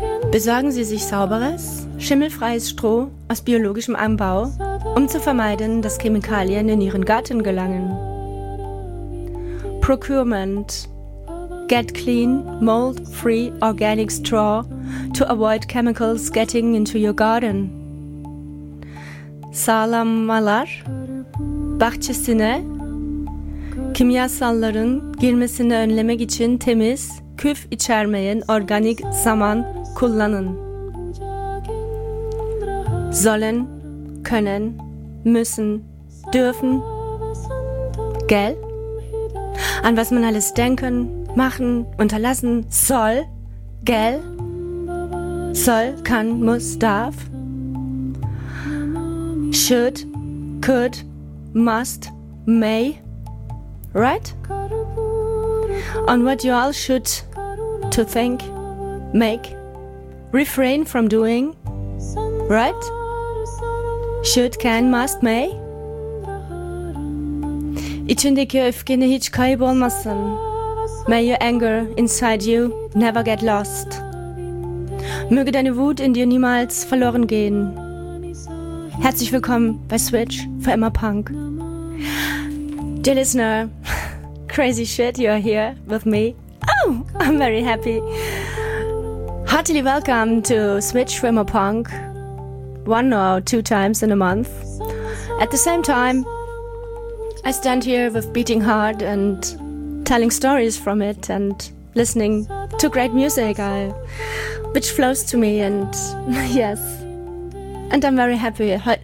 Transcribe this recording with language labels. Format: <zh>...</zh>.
<de>Besorgen Sie sich sauberes, schimmelfreies Stroh aus biologischem Anbau, um zu vermeiden, dass Chemikalien in Ihren Garten gelangen.</de> <en>Procurement. Get clean, mold-free organic straw to avoid chemicals getting into your garden.</en> <tr>Sağlamalar. Bahçesine kimyasalların girmesini önlemek için temiz, küf içermeyen organik saman kullanın.</tr> <de>Sollen, können, müssen, dürfen. Gell? An was man alles denken, machen, unterlassen soll. Gell? Soll, kann, muss, darf.</de> <en>Should, could, must, may. Right? On what you all should to think, make, refrain from doing, right? Should, can, must, may?</en> <tr>İçindeki öfkeni hiç kaybolmasın.</tr> <en>May your anger inside you never get lost.</en> <de>Möge deine Wut in dir niemals verloren gehen. Herzlich willkommen bei Switch für immer Punk.</de> <en>Dear listener, crazy shit, you are here with me. Oh, I'm very happy. Heartily welcome to Switch for immer Punk. One or two times in a month. At the same time, I stand here with beating heart and telling stories from it and listening to great music which flows to me, and yes, and I'm very happy.</en>